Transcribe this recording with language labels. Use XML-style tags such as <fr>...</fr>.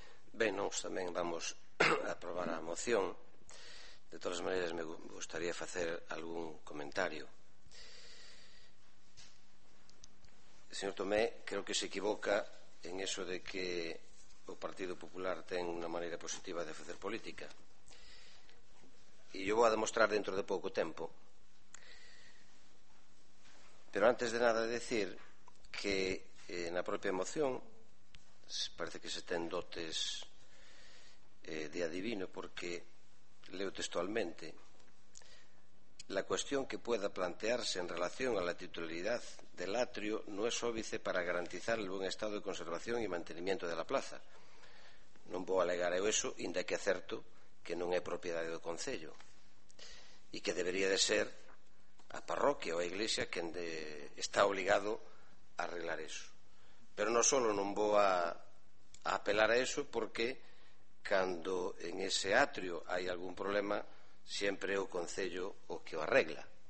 <gl>Ben, nos tamén vamos a aprobar a moción. De todas maneiras, me gustaría facer algún comentario. Señor Tomé, creo que se equivoca en eso de que o Partido Popular ten unha maneira positiva de facer política. E eu vou a demostrar dentro de pouco tempo. Pero antes de nada decir que na propia moción parece que se ten dotes de adivino, porque leo textualmente:</gl> <es>la cuestión que pueda plantearse en relación a la titularidad del atrio no es óbice para garantizar el buen estado de conservación y mantenimiento de la plaza.</es> <gl>Non vou alegar eu eso, inda que acerto que non é propiedade do concello e que debería de ser a parroquia ou a iglesia quen está obligado a arreglar eso. Pero non solo non vou a apelar a eso, porque cando en ese atrio hai algún problema, sempre é o concello o que o arregla.</gl>